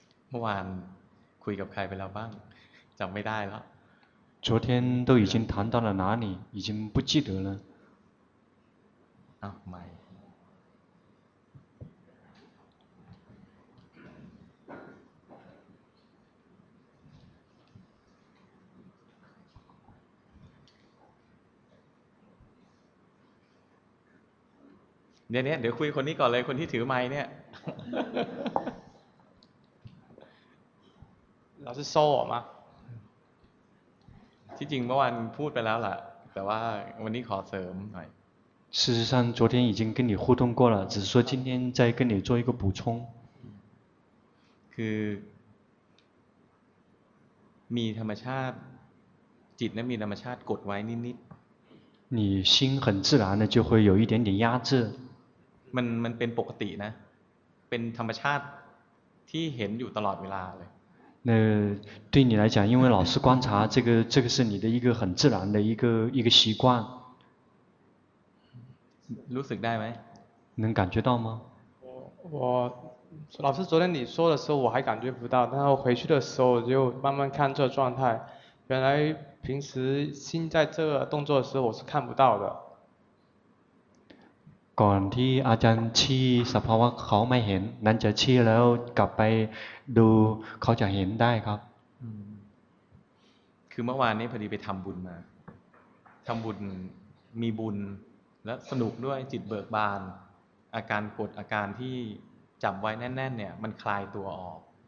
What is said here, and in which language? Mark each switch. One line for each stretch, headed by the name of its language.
Thai: เมื่อวานคุยกับใครไปแล้วบ้างจำไม่ได้แล้ว
Chinese: 昨天都已经谈到了哪里已经不记得了
Thai: อ้าวไม่เนี่ยเดี๋ยวคุยคนนี้ก่อนเลยคนที่ถือไมค์เนี่ย เราจะโซ่มา ที่จริงเมื่อวานพูดไปแล้วล่ะแต่ว่าวันนี้ขอเสริมหน่อย
Chinese: 事实上昨天已经跟你互动过了只是说今天再跟你做一个补充
Thai: คือมีธรรมชาติจิตนั้นมีธรรมชาติกดไว้นิด
Chinese: ๆ你心很自然的就会有一点点压制
Thai: มันเป็นปกตินะเป็นธรรมชาติที่เห็นอยู่ตลอดเวลาเลย
Chinese: 那对你来讲因为老师观察这个是你的一个很自然的一个习惯
Thai: รู้สึกได้ไหม
Chinese: 能感觉到吗我老师昨天你说的时候我还感觉不到但是回去的时候我就慢慢看这个状态原来平时心在这个动作的时候我是看不到的
Thai: ก่อนที่อาจารย์ชี้สภาวะเขาไม่เห็นนั้นจะชี้แล้วกลับไปดูเขาจะเห็นได้ครับ คือเมื่อวานนี้พอดีไปทำบุญมาทำบุญมีบุญและสนุกด้วยจิตเบิกบานอาการกดอาการที่จับไว้แน่นๆเนี่ยมันคลายตัวออก